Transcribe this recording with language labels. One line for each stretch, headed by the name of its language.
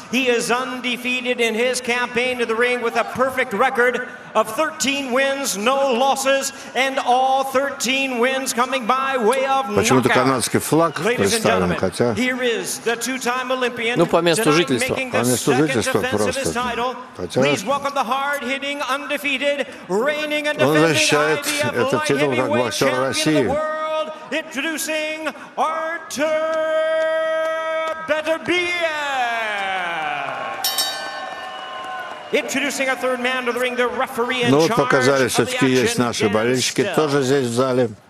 English: He is undefeated in his campaign to the ring with a perfect record of 13 wins, no losses, and all 13 wins coming by way of knockout.
Russian: Почему-то канадский флаг представлен, хотя...
English: Here is the two-time Olympian.
Russian: Ну, по месту жительства. По месту жительства просто. Хотя...
English: Please welcome the hard-hitting, undefeated, reigning and defending IBF light heavyweight champion of the world.
Russian: Он защищает этот титул как боксер России.
English: Introducing Artur Bетербиев. Introducing our third man to the ring, the referee in charge.
Russian: Ну вот показали, все-таки есть наши болельщики тоже здесь в зале.